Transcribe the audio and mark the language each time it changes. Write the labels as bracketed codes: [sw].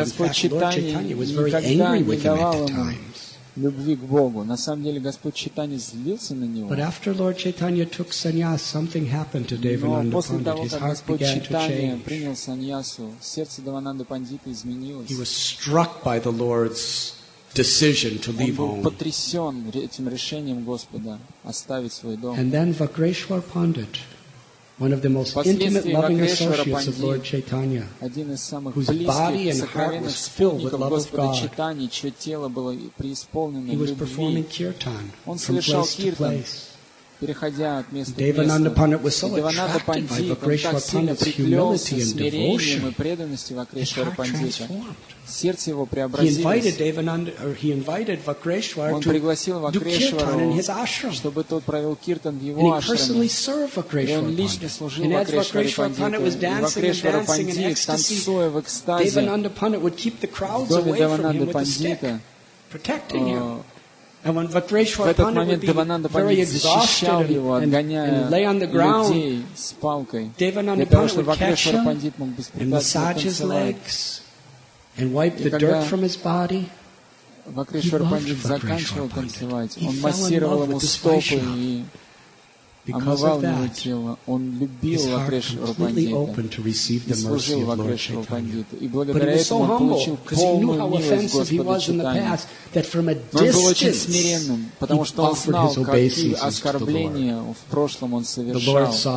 [ru] Господь Читания никогда не давал ему любви к Богу. На самом деле, Господь Читания злился на него. [en] But after Lord Chaitanya took sannyas, something happened to Devananda Pandit. His heart began to change. [ru] Принял саньясу, сердце Девананды Пандиты изменилось. [en] He was struck by the Lord's decision to leave home. [ru] Он был потрясен этим решением Господа оставить свой дом. [en] And then Vakreshwar Pandit, one of the most intimate, loving associates of Lord Chaitanya, whose body and heart was filled with love of God. He was performing kirtan from place to place. [ru] Переходя от места [en] Devananda Pandit was so attracted by Vakreshwar Pandit's humility and devotion, his heart transformed. He invited Devananda, or he invited Vakreshwar to do kirtan in his ashram. And he personally served Vakreshwar Pandit. And as Vakreshwar Pandit was dancing in ecstasy, Devananda Pandit would keep the crowds away from him with a stick, protecting him. And when Vakreshwar Pandit would be very exhausted and lay on the ground, Devananda Pandit would catch him and massage his legs and wipe the dirt from his body. [ru] Vakreshwar Pandit заканчивал танцевать. Он массировал ему стопы и омывал его тело. Он любил Вакрешвара Пандита и служил Вакрешвару Пандиту. И благодаря этому он получил полную милость Господа Читания. Он был очень смиренным, потому что он знал, какие оскорбления в прошлом он совершал.